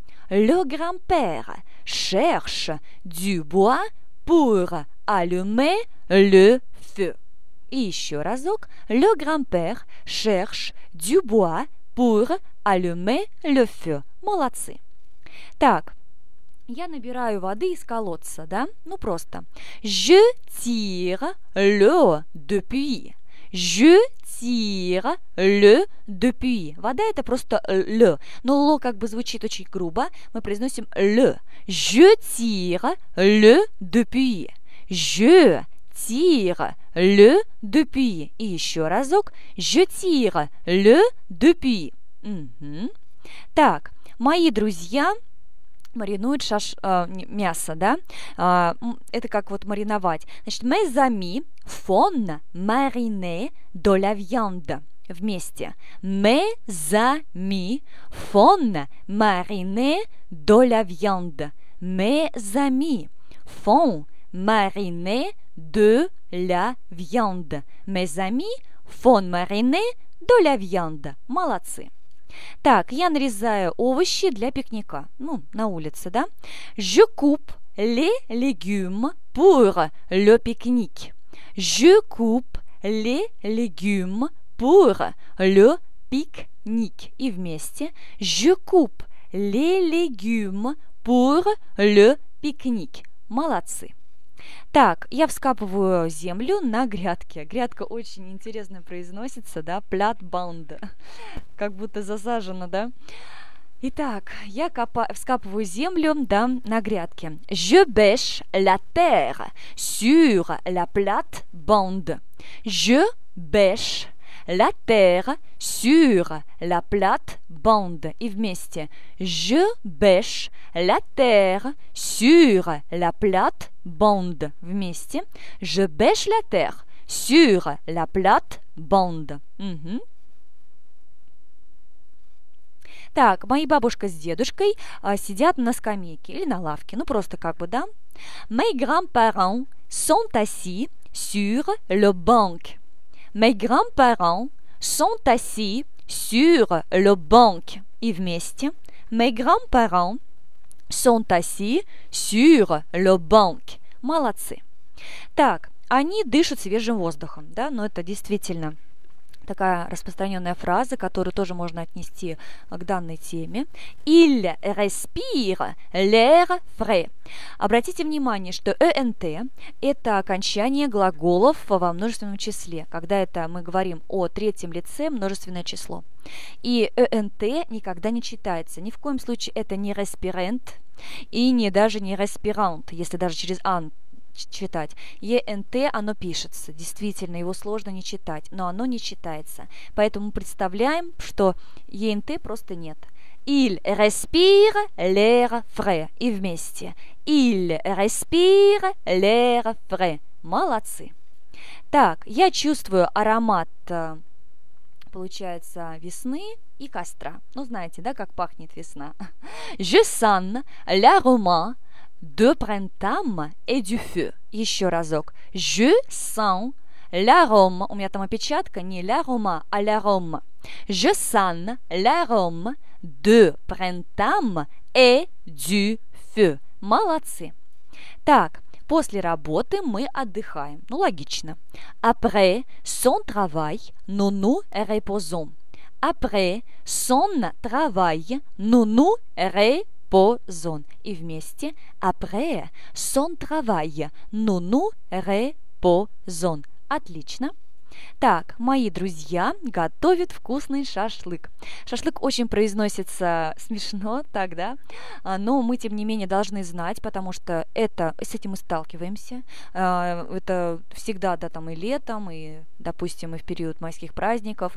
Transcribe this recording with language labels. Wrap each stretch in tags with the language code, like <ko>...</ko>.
<fr>Le grand-père cherche du bois pour allumer le feu.</fr> <ru>И еще разок.</ru> <fr>Le grand-père cherche du bois pour allumer le feu.</fr> <ru>Молодцы. Так, я набираю воды из колодца, да? Ну, просто.</ru> <fr>Je tire l'eau du puits. Je tire l'eau du puits.</fr> <ru>Вода – это просто «le». Но «le» как бы звучит очень грубо. Мы произносим «le».</ru> <fr>Je tire l'eau du puits. Je tire le depuis.</fr> <ru>И еще разок.</ru> <fr>Je tire le depuis.</fr> <ru>Угу. Так, мои друзья маринуют мясо, да? Это как вот мариновать.</ru> <fr>Значит, mes amis font mariner de la viande.</fr> <ru>Вместе.</ru> <fr>Mes amis font mariner de la viande. Mes amis font mariner de la viande. Mes amis font mariner de la viande.</fr> <ru>Молодцы. Так, я нарезаю овощи для пикника. Ну, на улице, да?</ru> <fr>Je coupe les légumes pour le pique-nique. Je coupe les légumes pour le pique-nique.</fr> <ru>И вместе.</ru> <fr>Je coupe les légumes pour le pique-nique.</fr> <ru>Молодцы. Так, я вскапываю землю на грядке. Грядка очень интересно произносится, да? Плят банда. Как будто засажена, да? Итак, я вскапываю землю, да, на грядке.</ru> <fr>Je bêche la terre sur la plate-bande. Je bêche la terre sur la plate-bande.</fr> <ru>И вместе.</ru> <fr>Je bêche la terre sur la plate-bande.</fr> <ru>Вместе.</ru> <fr>Je bêche la terre sur la plate-bande.</fr> <ru>Угу. Так, мои бабушка с дедушкой сидят на скамейке или на лавке, ну просто как бы, да?</ru> <fr>Mes grands-parents sont assis sur le banc. Mes grands-parents sont assis sur le banc.</fr> <ru>И вместе.</ru> <fr>Mes grands-parents sont assis sur le banc.</fr> <ru>Молодцы. Так, они дышат свежим воздухом, да? Ну это действительно такая распространенная фраза, которую тоже можно отнести к данной теме.</ru> <fr>Il respire l'air frais.</fr> <ru>Обратите внимание, что ENT – это окончание глаголов во множественном числе, когда это мы говорим о третьем лице, множественное число. И ENT никогда не читается. Ни в коем случае это не respirant и не даже не respirant, если даже через ant читать. ENT, оно пишется. Действительно, его сложно не читать, но оно не читается. Поэтому представляем, что ENT просто нет.</ru> <fr>Il respire l'air frais.</fr> <ru>И вместе.</ru> <fr>Il respire l'air frais.</fr> <ru>Молодцы. Так, я чувствую аромат, получается, весны и костра. Ну, знаете, да, как пахнет весна.</ru> <fr>Je sens l'aromat de printemps et du feu.</fr> <ru>Еще разок.</ru> <fr>Je sens l'arôme.</fr> <ru>У меня там опечатка не l'aroma, а l'arôme.</ru> <fr>Je sens l'arôme de printemps et du feu.</fr> <ru>Молодцы. Так, после работы мы отдыхаем. Ну, логично.</ru> <fr>Après son travail, nous nous reposons. Après son travail, nous nous reposons.</fr> <ru>Позон. И вместе.</ru> <fr>Après son travail, nous nous reposons.</fr> <ru>Отлично. Так, мои друзья готовят вкусный шашлык. Шашлык очень произносится смешно, так, да? Но мы, тем не менее, должны знать, потому что это, с этим мы сталкиваемся. Это всегда, да, там и летом, и, допустим, и в период майских праздников.</ru>